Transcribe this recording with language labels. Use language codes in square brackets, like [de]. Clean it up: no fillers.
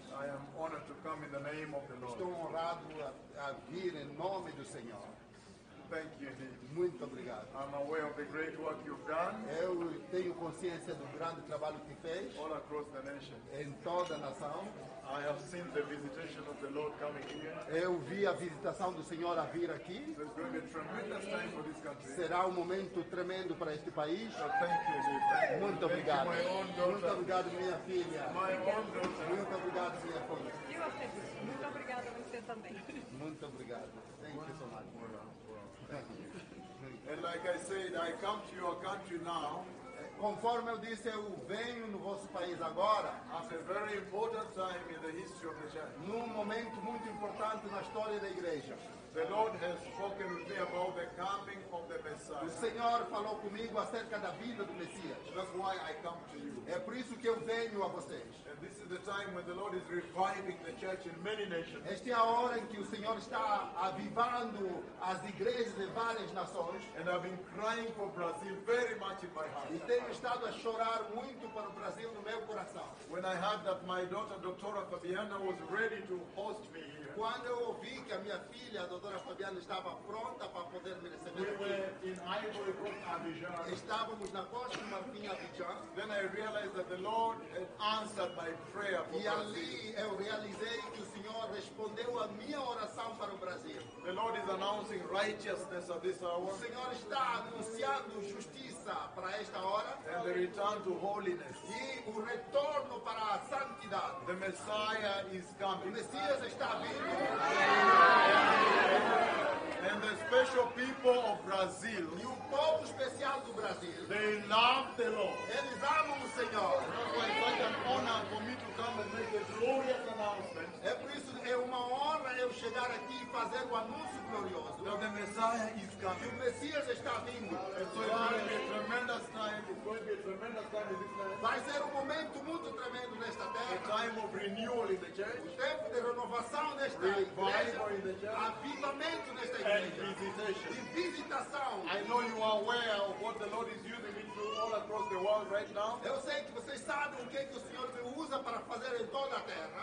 [en] I am honored to come in the name of the Lord. [pt] Estou honrado a vir em nome do Senhor. [en] Thank you, Lee. [pt] Muito obrigado. [en] I'm aware of the great work you've done. [pt] Eu tenho consciência do grande trabalho que fez. [en] All across the nation. [pt] Em toda a nação. [en] I have seen the visitation of the Lord coming here. [pt] Eu vi a visitação do Senhor a vir aqui. [en] So it's going to be a tremendous time for this country. [pt] Será momento tremendo para este país. [en] So thank you, Lee. [pt] Muito obrigado. [en] Thank you, my own daughter. [pt] Muito obrigado, minha filha. [en] My own daughter. [pt] Muito obrigado, minha filha. Muito obrigado a você também. Muito obrigado. [en] Thank you so much. And like I said, I come to your country now. [pt] Conforme eu disse, eu venho no vosso país agora. [en] At a very important time in the history of the church. [pt] Num momento muito importante na história da igreja. [en] The Lord has spoken with me about the coming of the Messiah. [pt] O Senhor falou comigo acerca da vinda do Messias. [en] That's why I come to you. [pt] É por isso que eu venho a vocês. [en] And this is the time when the Lord is reviving the church in many nations. [pt] Esta é a hora em que o Senhor está avivando as igrejas de várias nações. [en] And I've been crying for Brazil very much in my heart. [pt] E tenho estado a chorar muito para o Brasil no meu coração. [en] When I heard that my daughter, Doctora Fabiana, was ready to host me. [pt] Quando eu ouvi que a minha filha, a doutora Fabiana, estava pronta para poder me receber aqui, estávamos na costa de Marfim, Abidjan. [en] Then I realized that the Lord had answered my prayer. [pt] E ali eu realizei que o Senhor respondeu. respondeu a minha oração para o Brasil. [en] The Lord is announcing righteousness at this hour. [pt] O Senhor está anunciando justiça para esta hora. [en] And the return to holiness. [pt] E o retorno para a santidade. [en] The Messiah is coming. [pt] O Messias está vindo. [en] And the special people of Brazil. [pt] E o povo especial do Brasil. [en] They love the Lord. [pt] Eles amam o Senhor. [en] It's like an honor for me to come and make a glorious announcement. [pt] É por isso é uma honra eu chegar aqui e fazer o anúncio glorioso. [en] That the Messiah is coming. [pt] E o Messias está vindo. [en] And so it's going to be a tremendous time. It's going to be a tremendous time in this land. [pt] Vai ser um momento muito tremendo nesta terra. [en] A time of renewal in the church. [pt] O tempo de renovação nesta igreja. [en] Revival in the church. [pt] Avivamento nesta igreja. [en] And visitation. I know you are aware of what the Lord is using me to all across the world right now. [pt] Eu sei que vocês sabem o que o Senhor me usa para fazer em toda a terra.